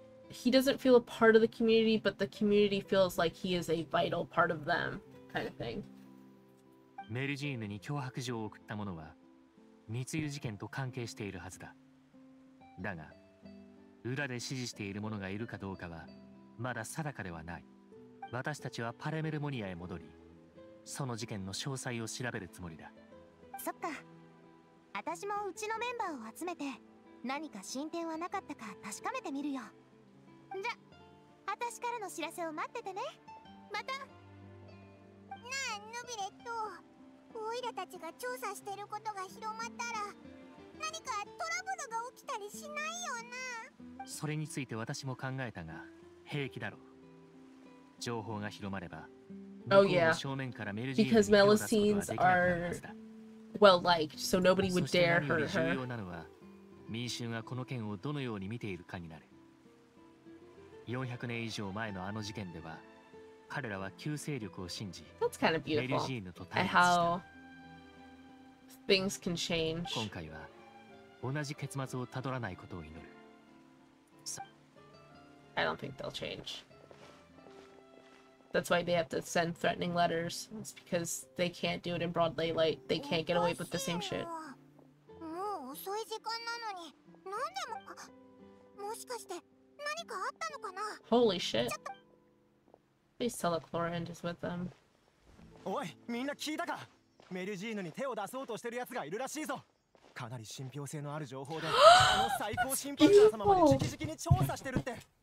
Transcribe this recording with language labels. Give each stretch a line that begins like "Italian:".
Japanese: He doesn't feel a part of the community, but the community feels like he is a vital part of them, kind of thing. メルジーヌに脅迫状を送った者は密輸事件と関係しているはずだ。だが裏で支持している者がいるかどうかはまだ定かではない。私たちはパレメルモニアへ戻り、その事件の詳細を調べるつもりだ。そっか、私もうちのメンバーを集めて何か進展はなかったか確かめてみるよ。じゃあ私からの知らせを待っててね。またなあヌビレット、オイラたちが調査してることが広まったら何かトラブルが起きたりしないよな。それについて私も考えたが平気だろう。情報が広まれば向こうの正面からメルジーヌに手を出すことはできなくなるはずだ。
English: Well liked, so nobody would dare hurt her.
Japanese: そして何より重要なのは民衆がこの件をどのように見ているかになる。 400年以上前のあの事件では彼らは旧勢力を信じ、メルジーヌと対立した。
English: And how things can change.
Japanese: 今回は同じ結末をたどらないことを祈る。
English: I don't think they'll change. That's why they have to send threatening letters. It's because they can't do it in broad daylight. They can't get away with the same shit.
Japanese: もう遅い時間なのに、何でも、もしかして何かあったのかな。
English: Holy shit. Please tell the Chlorian is with them.
Japanese: おい、みんな聞いたか？メルジーヌに手を出そうとしてる奴がいるらしいぞ。かなり信憑性のある情報で、この最高審判官様まで直々に調査してるって。